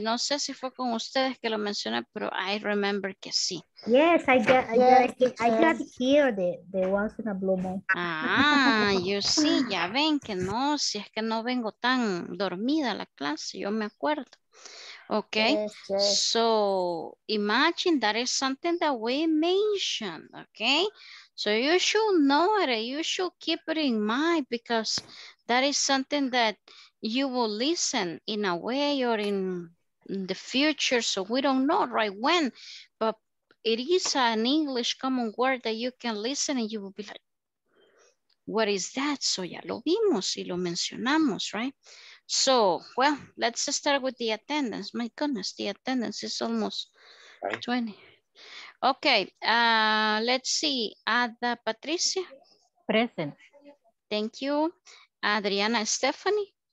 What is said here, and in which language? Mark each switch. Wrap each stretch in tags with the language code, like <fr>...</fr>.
<es>No sé si fue con ustedes que lo mencioné, pero</es> <en>I remember</en> <es>que sí.</es> <en>Yes, I got here the once in a blue moon. Ah, you see,</en> <es>ya ven que no, si es que no vengo tan dormida a la clase, yo me acuerdo.</es> <en>Okay, yes, yes. So imagine that is something that we mentioned, okay? So you should know it, you should keep it in mind because that is something that you will listen in a way or in the future, so we don't know right when, but it is an English common word that you can listen and you will be like, what is that?</en> <es>So ya lo vimos y lo mencionamos, right?</es> <en>So, well, let's start with the attendance. My goodness, the attendance is almost right. 20. Okay, let's see, Ada Patricia. Present. Thank you. Adriana Stephanie.</en>